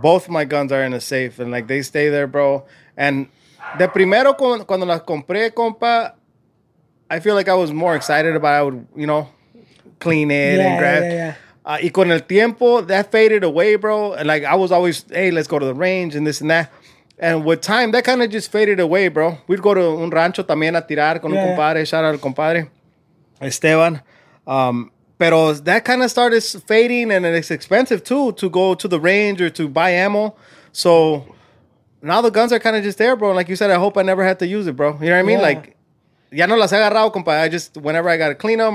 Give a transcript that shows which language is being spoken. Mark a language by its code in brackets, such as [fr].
[en] Both my guns are in a safe, and like they stay there, bro. And the [es] primero cuando las compré, compa, [en] I feel like I was more excited about it. I would, you know, clean it and grab it. [es] Y con el tiempo, [en] that faded away, bro. And like I was always, hey, let's go to the range and this and that. And with time, that kind of just faded away, bro. We'd go to [es] un rancho también a tirar con un compadre. [en] Shout out [es] al compadre, Esteban. [en] Pero that kind of started fading, and it's expensive too to go to the range or to buy ammo. So now the guns are kind of just there, bro. Like you said, I hope I never have to use it, bro. You know what I mean? Yeah. Like, [es] ya no las he agarrado, compa. [en] I just, whenever I got to clean them.